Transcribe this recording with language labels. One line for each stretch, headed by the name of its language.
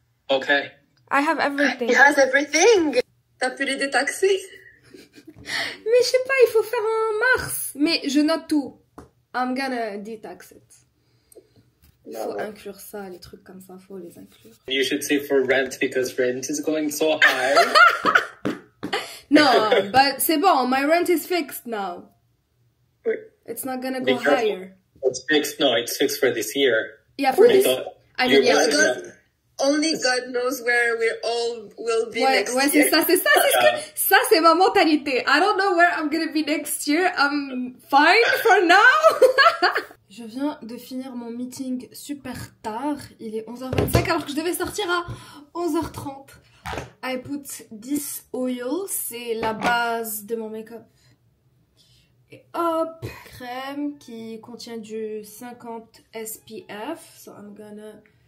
English: Okay. I have everything. He has everything.
French: T'as pu les détaxer. Mais je sais pas, il faut faire en mars. Mais je note tout.
English: I'm gonna detax it.
French: Il faut inclure ça, les trucs comme ça, faut les inclure.
English: You should say for rent because rent is going so high. No, but
French: c'est bon,
English: my rent is fixed now. It's not gonna go higher. It's fixed, no, it's fixed for this year. Yeah, for this. I mean, yeah, because... Only God knows where we all will be
French: ouais,
English: year.
French: Ouais, c'est ça, c'est ça. C'est ce que, ça, c'est ma mentalité.
English: I don't know where I'm gonna be next year. I'm fine for now.
French: Je viens de finir mon meeting super tard. Il est 11h25 alors que je devais sortir à 11h30.
English: I put this oil.
French: C'est la base de mon make-up. Et hop, crème qui contient du 50 SPF.
English: So I'm gonna...